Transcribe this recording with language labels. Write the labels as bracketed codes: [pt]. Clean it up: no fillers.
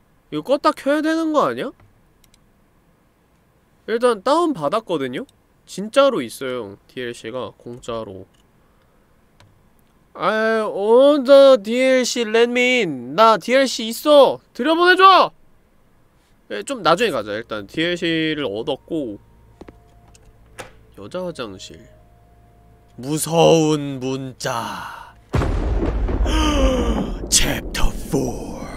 [ko] 이거 껐다 켜야 되는 거 아니야? 일단 다운받았거든요? 진짜로 있어요 DLC가 공짜로 [en] I own the DLC let me in [ko] 나 DLC 있어! 들여보내줘! 예, 좀 나중에 가자 일단 DLC를 얻었고 여자 화장실 무서운 문자 챕터 4